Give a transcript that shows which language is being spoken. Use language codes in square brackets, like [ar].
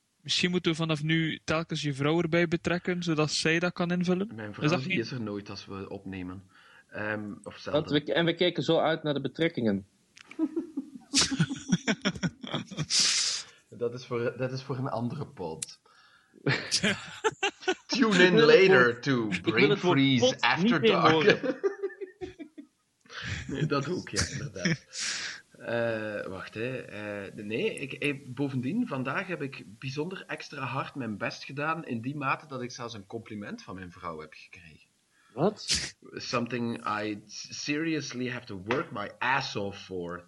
[nl] Misschien moeten we vanaf nu telkens je vrouw erbij betrekken, zodat zij dat kan invullen. Mijn vrouw is er nooit als we opnemen. Of zelden. Want we kijken zo uit naar de betrekkingen. Dat is voor een andere pod. [en] Tune in later to Brain Freeze After Dark. [nl] Nee, dat ook, ja, inderdaad. Wacht, hè. Bovendien, vandaag heb ik bijzonder extra hard mijn best gedaan, in die mate dat ik zelfs een compliment van mijn vrouw heb gekregen. Wat? [en] Something I seriously have to work my ass off for.